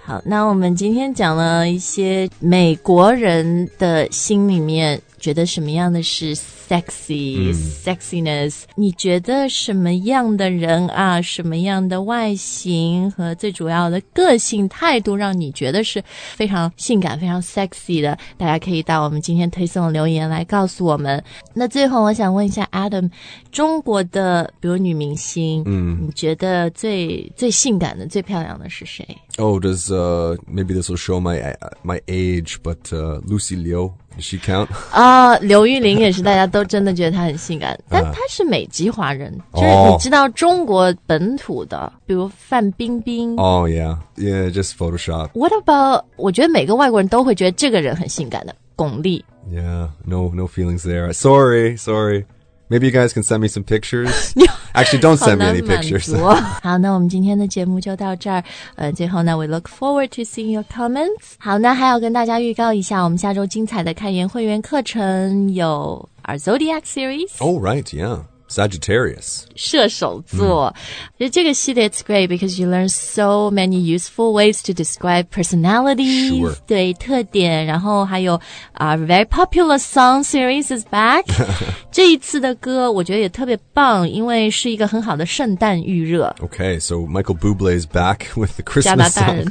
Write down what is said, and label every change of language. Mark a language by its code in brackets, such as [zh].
[zh] 好，那我们今天讲了一些美国人的心里面觉得什么样的是sexy、sexiness， 你觉得什么样的人啊，什么样的外形和最主要的个性态度让你觉得是非常性感非常 sexy 的，大家可以到我们今天推送的留言来告诉我们。那最后我想问一下 Adam， 中国的比如女明星、你觉得最性感的最漂亮的是谁？ [en] Maybe this will show my age, but Lucy Liu, does she count? [zh] 刘玉玲也是大家都真的觉得她很性感，但她是美籍华人，就是你知道中国本土的，比如范冰冰。 [en] Just Photoshop. What about? [zh] 我觉得每个外国人都会觉得这个人很性感的，巩俐。 [en] No feelings there. Sorry. Maybe you guys can send me some pictures. Actually, don't send me any pictures. [zh] 好，那我们今天的节目就到这儿。最后呢 [en] ，we look forward to seeing your comments. [zh] 好，那还要跟大家预告一下，我们下周精彩的开源会员课程有 [en] our Zodiac series. Oh, right, yeah. Sagittarius. [zh] 射手座、这个系列 [en] it's great because you learn so many useful ways to describe personalities. Sure. [zh] 对特点然后还有 [en] our very popular song series is back. [zh] 这一次的歌我觉得也特别棒因为是一个很好的圣诞预热。 [en] Okay, so Michael Bublé is back with the Christmas song.